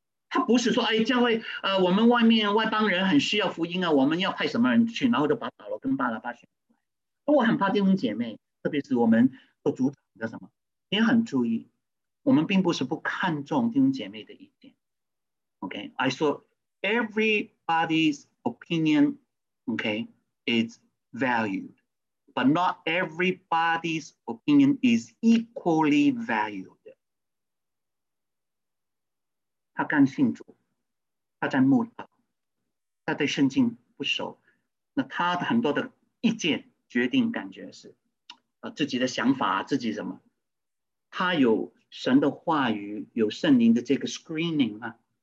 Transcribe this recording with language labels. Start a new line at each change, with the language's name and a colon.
Chinese: 他不是说哎，教会我们外面外邦人很需要福音啊，我们要派什么人去，然后就把保罗跟巴拿巴选出来。我很怕弟兄姐妹，特别是我们做主长的什么，也很注意，我们并不是不看重弟兄姐妹的意见。
English: OK, I saw everybody's opinion, okay, is valued, but not everybody's opinion is equally valued.
Chinese: 他刚信主，他在慕道，他对圣经不熟，那他的很多的意见、决定、感觉是。自己的想法，自己什么？他有神的话语，有圣灵的这个 screening 吗？